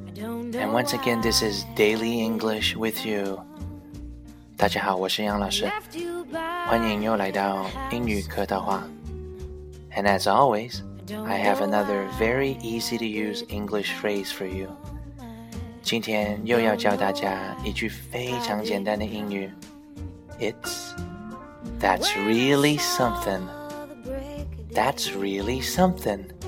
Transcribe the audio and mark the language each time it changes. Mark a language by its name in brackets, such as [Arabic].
[English] And once again, this is Daily English with you. [Chinese] 大家好，我是杨老师。欢迎又来到英语课的话。 [English] And as always, I have another very easy to use English phrase for you. [Chinese] 今天又要教大家一句非常简单的英语。 [English] That's really something. That's really something.